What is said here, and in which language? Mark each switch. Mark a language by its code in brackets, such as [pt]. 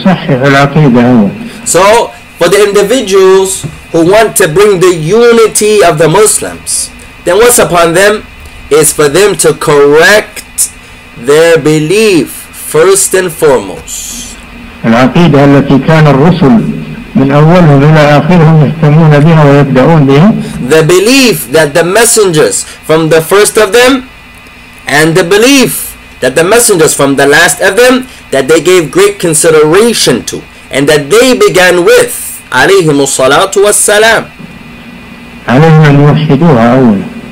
[en] So, for the individuals who want to bring the unity of the Muslims, then what's upon them is for them to correct their belief first and foremost. [ar] العقيدة التي كان الرسل من أولهم إلى آخرهم يهتمون بها ويبدأون بها. [en] The belief that the messengers from the first of them, and the belief that the messengers from the last of them, that they gave great consideration to, and that they began with [ar] عليهم الصلاة والسلام. عليهم أن يوحدوها أولا.